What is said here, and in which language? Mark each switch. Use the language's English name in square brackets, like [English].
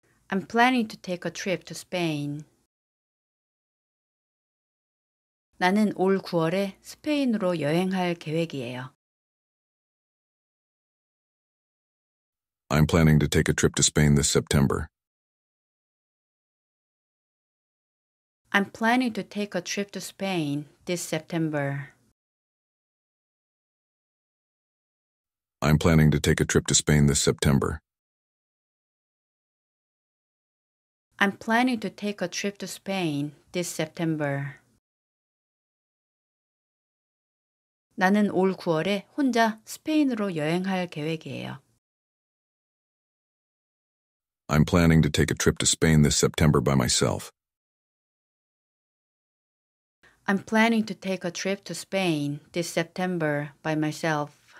[English] I'm planning to take a trip to Spain. [Korean] 나는 올 9월에 스페인으로 여행할 계획이에요. [English] I'm planning to take a trip to Spain this September. I'm planning to take a trip to Spain this September. I'm planning to take a trip to Spain this September. I'm planning to take a trip to Spain this September. [Korean] 나는 올 9월에 혼자 스페인으로 여행할 계획이에요. [English] I'm planning to take a trip to Spain this September by myself. I'm planning to take a trip to Spain this September by myself.